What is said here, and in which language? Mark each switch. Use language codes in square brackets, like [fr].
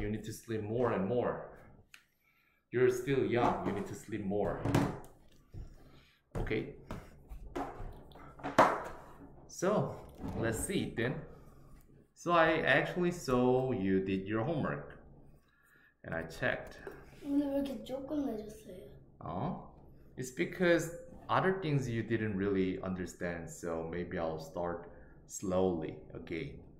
[en] You need to sleep more and more. You're still young. You need to sleep more. Okay. So, let's see then. So, I actually saw you did your homework. And I checked. [ko] 근데 왜 이렇게 조금 내줬어요? [en] It's because other things you didn't really understand, so maybe I'll start slowly again.